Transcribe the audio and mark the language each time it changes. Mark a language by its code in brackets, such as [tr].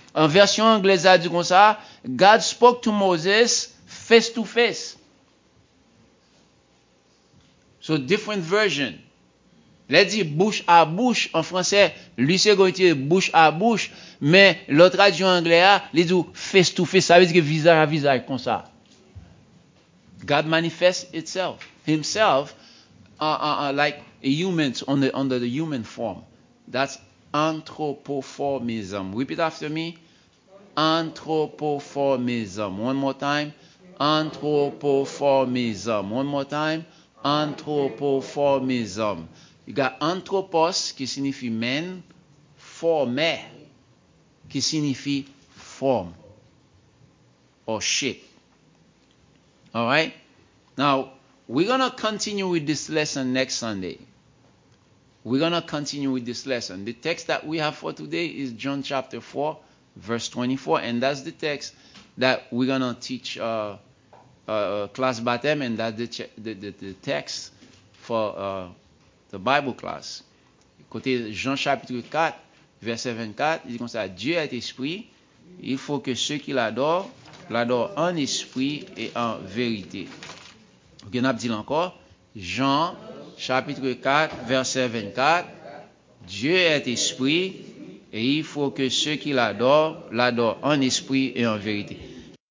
[fr] En version anglaise, a dit comme ça, [en] God spoke to Moses face to face. So different version. Let's say [fr] bouche à bouche en français, lui c'est qu'on dit bouche à bouche, mais l'autre traduction anglais, il dit face to face, ça veut dire visage à visage comme ça. [en] God manifests itself, himself like humans under the human form. That's anthropomorphism. Repeat after me. Anthropomorphism. One more time. Anthropomorphism. One more time. Anthropomorphism. You got anthropos, [fr] qui signifie [en] man, formé, qui signifie form or shape. All right? Now, we're going to continue with this lesson next Sunday. We're going to continue with this lesson. The text that we have for today is John chapter 4, verse 24, and that's the text that we're going to teach class baptême, and that's the text for the Bible class. [fr] Côté Jean chapitre 4, verset 24, il dit comme ça, Dieu est esprit, il faut que ceux qui l'adorent, l'adorent en esprit et en vérité. Okay, on a dit encore, Jean chapitre 4, verset 24. Dieu est esprit et il faut que ceux qui l'adorent, l'adorent en esprit et en vérité.